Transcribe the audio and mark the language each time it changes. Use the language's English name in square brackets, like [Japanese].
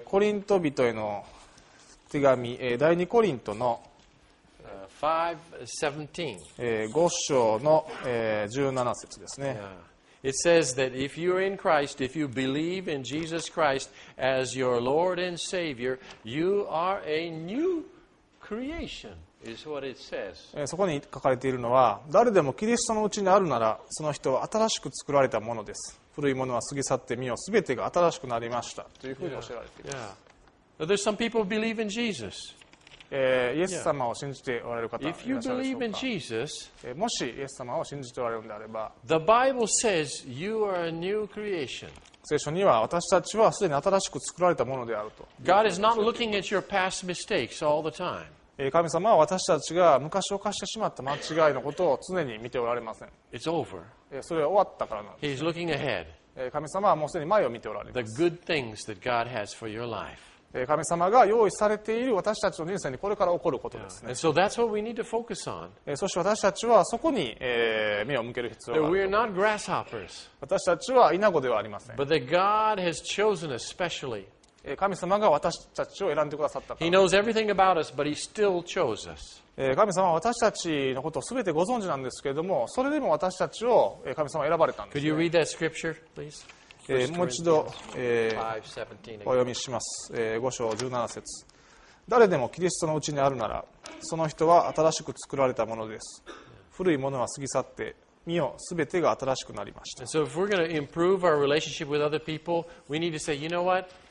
[Japanese] コリント人への手紙、第2コリントの5章の17節ですね。 [English] Yeah. It says that if you're in Christ, if you believe in Jesus Christ as your Lord and Savior, you are a new creation, is what it says. [Japanese] そこに書かれているのは、誰でもキリストのうちにあるなら、その人は新しく作られたものです。古いものは過ぎ去ってみよう。すべてが新しくなりましたというふうに教えられています。 [English] Yeah. Yeah. There's some people believe in Jesus. [Japanese] イエス様を信じておられる方、 [English] if you believe in Jesus, [Japanese] もしイエス様を信じておられるのであれば、 [English] The Bible says you are a new creation. [Japanese] 聖書には私たちはすでに新しく作られたものであると。 [English] God is not looking at your past mistakes all the time. [Japanese] 神様は私たちが昔犯してしまった間違いのことを常に見ておられません。 [English] It's over. [Japanese] それは終わったからなんです。 [English] He's looking ahead. [Japanese] 神様はもうすでに前を見ておられます。 [English] The good things that God has for your life. [Japanese] 神様が用意されている私たちの人生にこれから起こることですね。 [English] So that's what we need to focus on. [Japanese] そして私たちはそこに目を向ける必要がある。 [English] We are not grasshoppers. [Japanese] 私たちはイナゴではありません。 [English] But that God has chosen us specially. [Japanese] 神様が私たちを選んでくださったから。 [English] He knows everything about us, but He still chose us. [Japanese] 神様は私たちのことをすべてご存知なんですけれども、それでも私たちを神様は選ばれたんです。 [English] Could you read that scripture, please? [Japanese] もう一度、お読みします。5章17節、誰でもキリストのうちにあるならその人は新しく作られたものです。古いものは過ぎ去って、見よ、すべてが新しくなりました。 [English] So if we're going to improve our relationship with other people, we need to say, you know what?